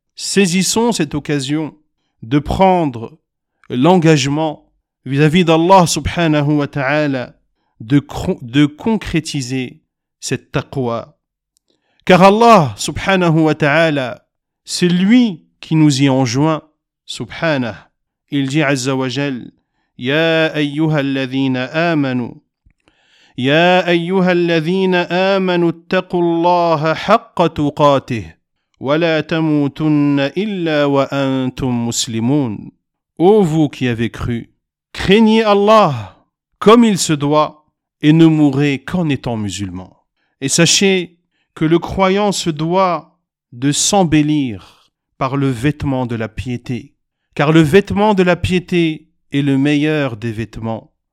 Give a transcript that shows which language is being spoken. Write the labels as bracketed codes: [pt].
[fr] Saisissons cette occasion de prendre l'engagement vis-à-vis d'Allah subhanahu wa ta'ala de concrétiser cette taqwa. Car Allah subhanahu wa ta'ala, c'est lui qui nous y enjoint. Subhanahu. Il dit [ar] Azza wa Jal, يا أيها الذين آمنوا يا أيها الذين آمنوا اتقوا الله حق تقاته ولا تموتن إلا وأنتم مسلمون. [fr] Ô vous qui avez cru, craignez Allah comme il se doit et ne mourrez qu'en étant musulman. Et sachez que le croyant se doit de s'embellir par le vêtement de la piété, car le vêtement de la piété et le meilleur des vêtements.